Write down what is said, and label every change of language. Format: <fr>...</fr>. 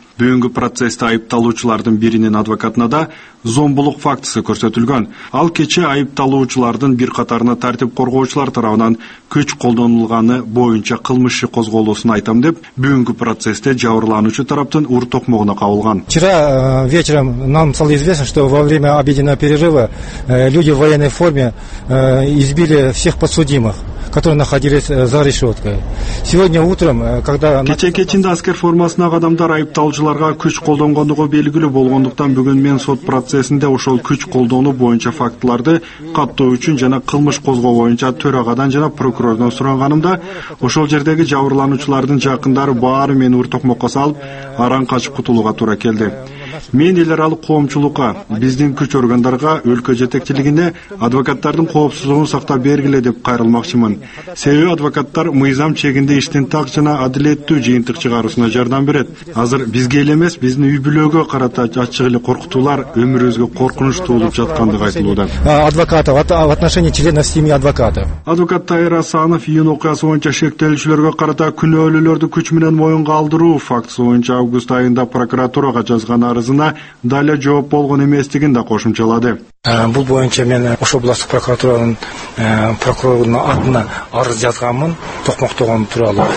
<ky>Бүгүнкү процессте айыпталуучулардын биринин адвокатына да зомбулук фактысы көрсөтүлгөн. Ал кечээ айыпталуучулардын бир катарына тартип коргоочулар тарабынан күч колдонулганы боюнча кылмыш иши козголуусун айтам деп, бүгүнкү процессте жабырлануучу тараптын ур токмогуна кабылган.</ky> <ru>Вчера вечером нам стало известно, что во время обеденного перерыва люди в военной форме избили всех подсудимых, которые находились за решеткой. Сегодня утром, когда</ru> <ky>кечээ кечинде аскер формасындагы адамдар айыпталуучуларга күч колдонгондугу белгилүү болгондуктан бүгүн мен сот процессинде ошол күч колдонуу боюнча фактыларды каттоо үчүн жана кылмыш козгоо боюнча төрагадан жана прокурордон суранганымда ошол жердеги жабырлануучулардын жакындары баары мени ур токмокко салып, араң качып кутулууга туура келди. Мен эл аралык коомчулукка, биздин күч органдарга, өлкө жетекчилигине адвокаттардын коопсуздугун сактап бергиле деп кайрылмакчымын. Себеби адвокаттар мыйзам чегинде иштин так жана адилеттүү жыйынтык чыгаруусуна жардам берет. Азыр бизге эле эмес, биздин үй бүлөгө карата ачык эле коркутуулар өмүрүбүзгө коркунуч туулуп жаткандыгы айтылууда.</ky> <ru>Адвокатов в отношении членов семьи адвокатов.</ru> <ky>Адвокат Тайра Асанов июнь окуясы боюнча шектелүүчүлөргө карата күнөөлүүлөрдү күч менен моюнга алдыруу фактысы боюнча август айында прокуратурага жазган арызына дале жооп болгон эместигин да кошумчалады. Бул боюнча мен ошо областтык прокуратуранын прокурорунун атына арыз жазганмын, токмоктогон тууралуу.</ky>